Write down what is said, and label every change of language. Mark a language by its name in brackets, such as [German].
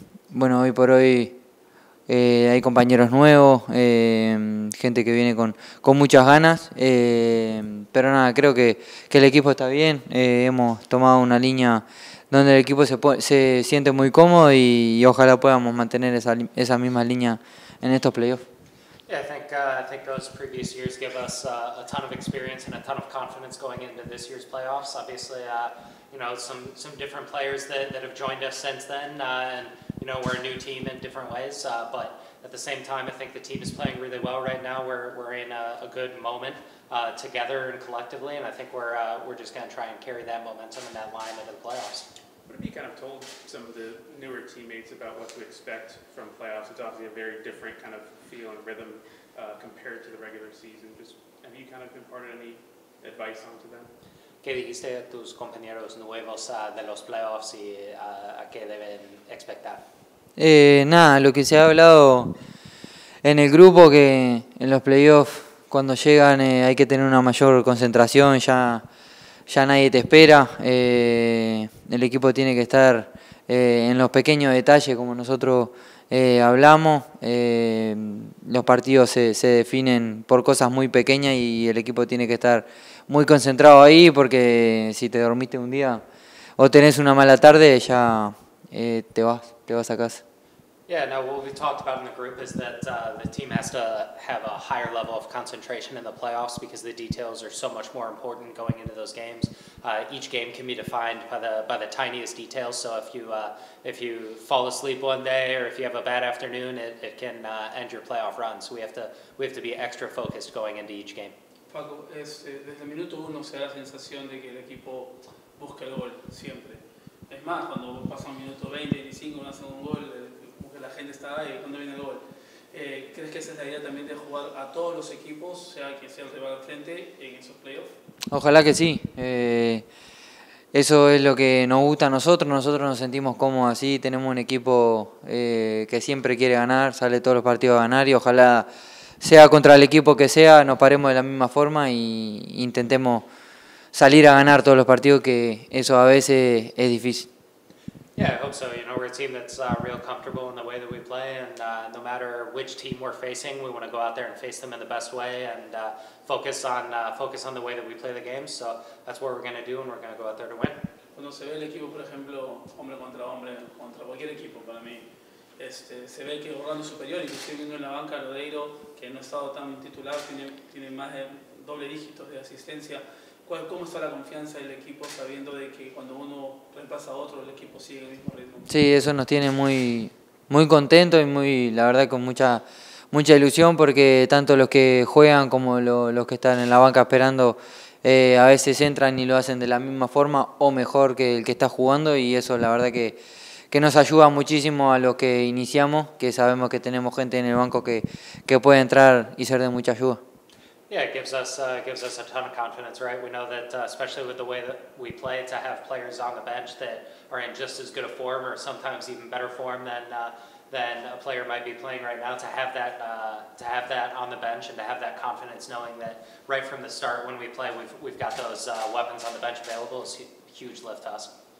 [Spanish] Bueno, hoy por hoy hay compañeros nuevos, gente que viene con muchas ganas. Pero nada, creo que el equipo está bien. Hemos tomado una línea donde el equipo se siente muy cómodo y ojalá podamos mantener esa misma línea en estos playoffs. [English] Yeah, I think those previous years give us a ton of experience and a ton of confidence going into this year's playoffs. Obviously, you know, some different players that have joined us since then, and you know, we're a new team in different ways. But at the same time, I think the team is playing really well right now. We're in a good moment together and collectively, and I think we're just going to try and carry that momentum and that line into the playoffs. What have you kind of told some of the newer teammates about what to expect from playoffs? It's obviously a very different kind of feel and rhythm compared to the regular season. Just have you kind of imparted any advice onto them? [Spanish] ¿Qué dijiste a tus compañeros nuevos de los playoffs y a qué deben expectar? Nada, lo que se ha hablado en el grupo, que en los playoffs cuando llegan hay que tener una mayor concentración, ya nadie te espera. El equipo tiene que estar en los pequeños detalles, como nosotros hablamos. Los partidos se definen por cosas muy pequeñas y el equipo tiene que estar muy concentrado ahí, porque si te dormiste un día o tenés una mala tarde, ya te vas a casa. [English] Yeah, no, what we've talked about in the group is that the team has to have a higher level of concentration in the playoffs because the details are so much more important going into those games. Each game can be defined by the tiniest details, so if you fall asleep one day or if you have a bad afternoon, it can end your playoff run. So we have to be extra focused going into each game. [Spanish] Paco, desde minuto uno se da la sensación de que el equipo busca el gol siempre. Es más, cuando pasa un minuto 20, 25, hace un gol, la gente está ahí, ¿dónde viene el gol? ¿Crees que esa es la idea también de jugar a todos los equipos, sea quien sea el rival al frente, en esos playoffs? Ojalá que sí. Eso es lo que nos gusta a nosotros. Nosotros nos sentimos cómodos así. Tenemos un equipo que siempre quiere ganar, sale todos los partidos a ganar y ojalá, sea contra el equipo que sea, nos paremos de la misma forma e intentemos salir a ganar todos los partidos, que eso a veces es difícil. [English] Yeah, I hope so. You know, we're a team that's real comfortable in the way that we play, and no matter which team we're facing, we want to go out there and face them in the best way and focus on the way that we play the game. So that's what we're going to do, and we're going to go out there to win. [Spanish] Cuando se ve el equipo, por ejemplo, hombre contra hombre, contra cualquier equipo, para mí, se ve que Orlando superior, y estoy viendo en la banca Lodeiro, que no ha estado tan titular, tiene más de doble dígitos de asistencia. ¿Cómo está la confianza del equipo sabiendo de que cuando uno reemplaza a otro, el equipo sigue el mismo ritmo? Sí, eso nos tiene muy, muy contentos y muy, la verdad, con mucha, mucha ilusión, porque tanto los que juegan como los que están en la banca esperando a veces entran y lo hacen de la misma forma o mejor que el que está jugando, y eso la verdad que nos ayuda muchísimo a los que iniciamos, que sabemos que tenemos gente en el banco que puede entrar y ser de mucha ayuda. [English] Yeah, it gives us a ton of confidence, right? We know that, especially with the way that we play, to have players on the bench that are in just as good a form, or sometimes even better form than a player might be playing right now, to have that on the bench and to have that confidence, knowing that right from the start when we play, we've got those weapons on the bench available, is a huge lift to us.